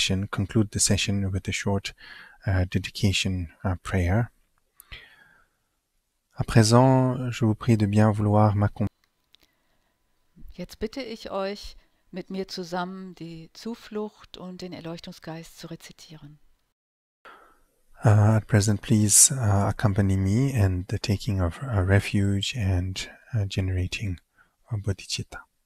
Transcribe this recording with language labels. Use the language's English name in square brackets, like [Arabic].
[English] Conclude the session with a short dedication prayer. [French] À présent, je vous prie de bien vouloir m'accompagner. [German] Jetzt bitte ich euch, mit mir zusammen die Zuflucht und den Erleuchtungsgeist zu rezitieren. [English] At present, please accompany me in the taking of a refuge and generating a bodhicitta.